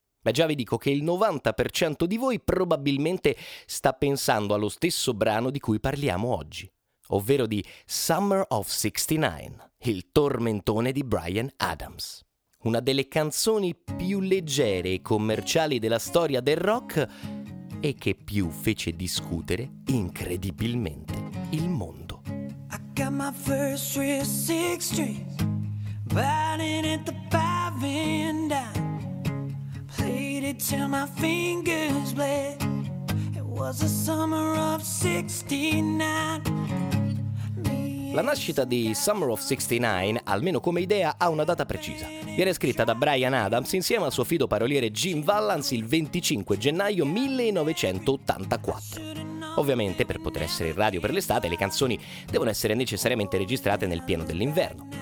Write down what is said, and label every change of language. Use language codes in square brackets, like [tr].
[it] Beh, già vi dico che il 90% di voi probabilmente sta pensando allo stesso brano di cui parliamo oggi, ovvero di Summer of 69, il tormentone di Bryan Adams. Una delle canzoni più leggere e commerciali della storia del rock e che più fece discutere incredibilmente il mondo. [en] I got my first real six strings, riding at the five and dime, played it till my fingers bled. It was the summer of 69. [it] La nascita di Summer of 69, almeno come idea, ha una data precisa. Viene scritta da Bryan Adams insieme al suo fido paroliere Jim Vallance il 25 gennaio 1984. Ovviamente, per poter essere in radio per l'estate, le canzoni devono essere necessariamente registrate nel pieno dell'inverno.